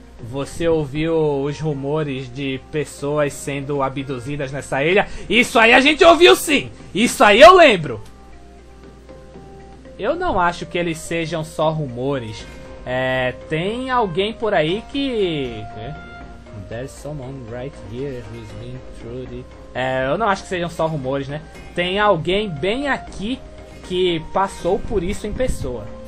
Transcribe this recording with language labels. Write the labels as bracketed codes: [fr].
[pt] Você ouviu os rumores de pessoas sendo abduzidas nessa ilha? Isso aí a gente ouviu sim! Isso aí eu lembro! Eu não acho que eles sejam só rumores. É, tem alguém por aí que... [en] There's someone right here who's been through the... [pt] É, eu não acho que sejam só rumores, né? Tem alguém bem aqui que passou por isso em pessoa.